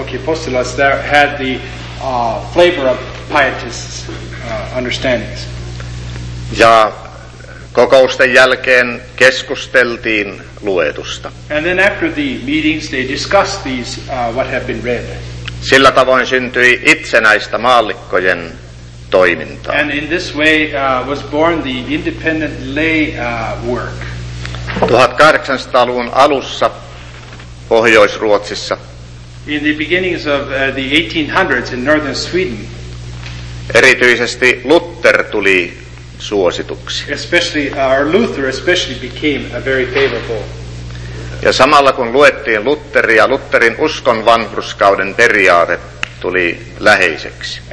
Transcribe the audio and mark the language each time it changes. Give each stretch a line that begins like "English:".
English: Okay, postilas that had the flavor of pietists' understandings.
Finnish: Ja kokousten jälkeen keskusteltiin luetusta.
English: And then after the meetings they discussed these what had been read.
Finnish: Sillä tavoin syntyi itsenäistä maallikkojen toimintaa.
English: And in this way was born the independent lay work.
Finnish: 1800-luvun alussa Pohjois-Ruotsissa.
English: In the beginnings of the 1800s in northern Sweden.
Finnish: Erityisesti Luther tuli suosituksi.
English: Especially Luther especially became a very favorable.
Finnish: Ja samalla kun luettiin Lutteria, Lutterin uskon vanhurskauden periaate tuli läheiseksi.